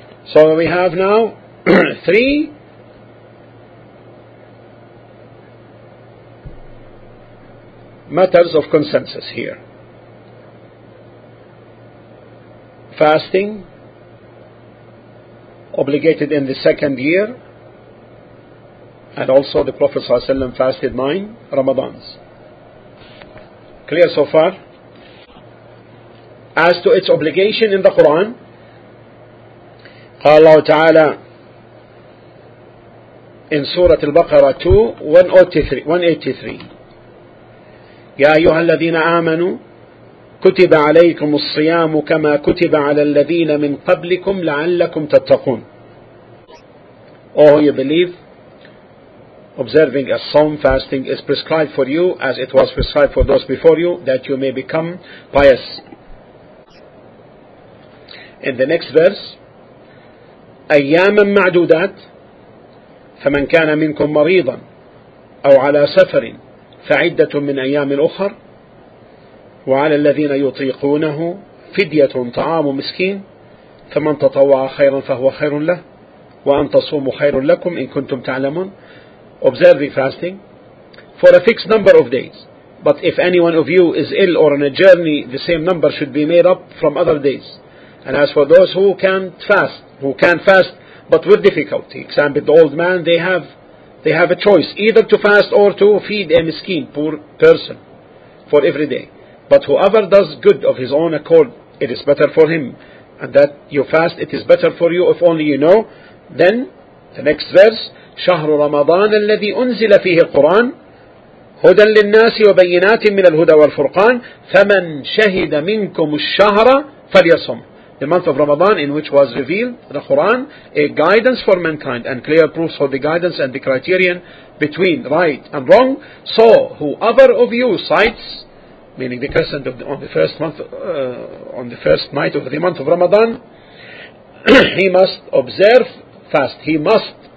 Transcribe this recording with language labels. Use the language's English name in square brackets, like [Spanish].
[English] So we have now 3 matters of consensus here. Fasting, obligated in the second year, and also the Prophet ﷺ fasted 9 Ramadans. Clear so far? As to its obligation in the Quran, [Arabic] قال الله تعالى [English] in Surah Al-Baqarah 2, 183, [Arabic] يا أيها الذين آمنوا كتب عليكم الصيام كما كتب على الذين من قبلكم لعلكم تتقون. [English] Oh, you believe, observing a psalm, fasting is prescribed for you as it was prescribed for those before you, that you may become pious. In the next verse, [Arabic] أَيَّامًا مَعْدُودَاتٍ فَمَنْ كَانَ مِنْكُمْ مَرِيضًا أَوْ عَلَى سَفَرٍ فَعِدَّةٌ مِنْ أَيَّامٍ أُخَرٍ وَعَلَى الَّذِينَ يُطِيقُونَهُ فِدْيَةٌ طَعَامُ مِسْكِينٍ فَمَنْ تَطَوَّعَ خَيْرًا فَهُوَ خَيْرٌ لَهُ وَأَنْ تَصُومُ خَيْرٌ لَكُمْ إِن كُنْتُمْ تَعْلَمُونَ. [English] Observing fasting for a fixed number of days. But if anyone of you is ill or on a journey, the same number should be made up from other days. And as for those who can't fast, but with difficulty, example, the old man, they have a choice, either to fast or to feed a miskin, poor person, for every day. But whoever does good of his own accord, it is better for him. And that you fast, it is better for you, if only you know. Then, the next verse, [Arabic] شهر رمضان الذي أنزل فيه القرآن هدى للناس وبينات من الهدى والفرقان فمن شهد منكم الشهر فليصم. [English] The month of Ramadan in which was revealed the Quran, a guidance for mankind and clear proofs for the guidance and the criterion between right and wrong. So, whoever of you cites, meaning the crescent on the first night of the month of Ramadan, he must observe fast. He must.